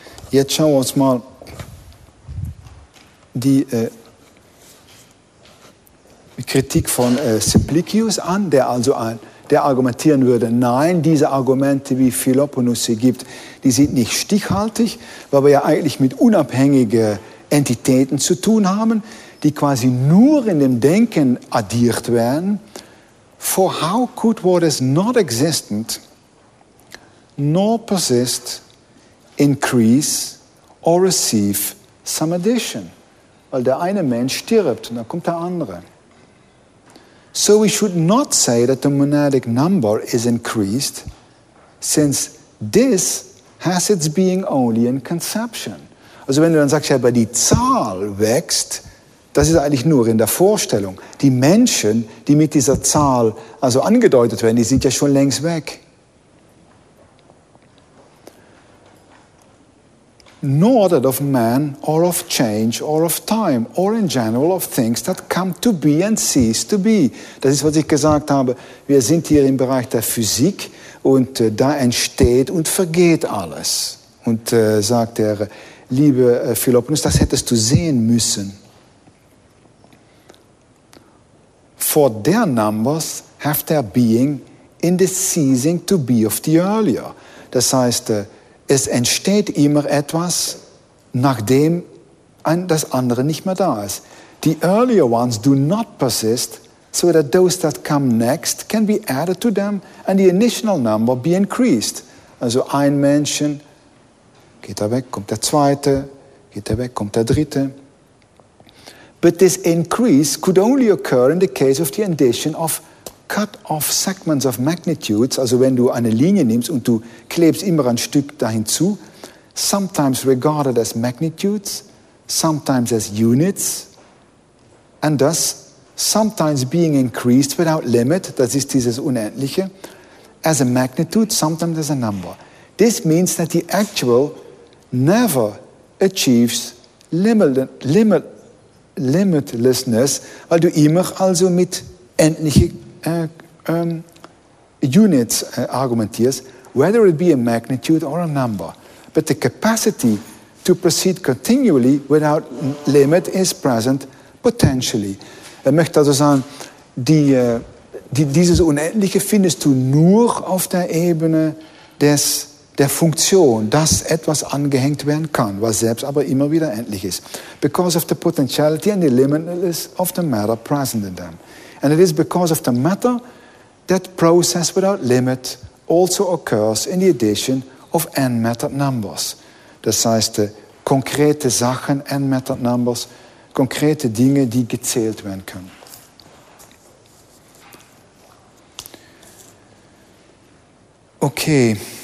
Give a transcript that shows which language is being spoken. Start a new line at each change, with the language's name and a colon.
German: Jetzt schauen wir uns mal die Kritik von Simplicius an, der argumentieren würde, nein, diese Argumente, wie Philoponus sie gibt, die sind nicht stichhaltig, weil wir ja eigentlich mit unabhängigen Entitäten zu tun haben, die quasi nur in dem Denken addiert werden.
English: For how could what is not existent nor persist increase or receive some addition?
German: Weil der eine Mensch stirbt und dann kommt der andere.
English: So we should not say that the monadic number is increased, since this has its being only in conception.
German: Also wenn du dann sagst, ja, aber die Zahl wächst, das ist eigentlich nur in der Vorstellung. Die Menschen, die mit dieser Zahl also angedeutet werden, die sind ja schon längst weg.
English: Nor that of man or of change or of time or in general of things that come to be and cease to be.
German: Das ist, was ich gesagt habe. Wir sind hier im Bereich der Physik und da entsteht und vergeht alles. Und sagt der liebe Philoponus, das hättest du sehen müssen.
English: For their numbers have their being in the ceasing to be of the earlier.
German: Das heißt, es entsteht immer etwas, nachdem das andere nicht mehr da ist.
English: The earlier ones do not persist, so that those that come next can be added to them and the initial number be increased.
German: Also ein Mensch, geht er weg, kommt der zweite, geht er weg, kommt der dritte.
English: But this increase could only occur in the case of the addition of cut-off segments of magnitudes,
German: also wenn du eine Linie nimmst und du klebst immer ein Stück dahin zu,
English: sometimes regarded as magnitudes, sometimes as units, and thus sometimes being increased without limit,
German: das ist dieses Unendliche,
English: as a magnitude, sometimes as a number. This means that the actual never achieves limitlessness,
German: weil du immer also mit endlichen Units argumentierst,
English: whether it be a magnitude or a number. But the capacity to proceed continually without limit is present potentially.
German: Er möchte also sagen, dieses Unendliche findest du nur auf der Ebene der Funktion, dass etwas angehängt werden kann, was selbst aber immer wieder endlich ist.
English: Because of the potentiality and the limitlessness of the matter present in them. And it is because of the matter that process without limit also occurs in the addition of n-mattered numbers.
German: Das heißt, konkrete Sachen,
English: n-mattered numbers,
German: konkrete Dinge, die gezählt werden können. Okay.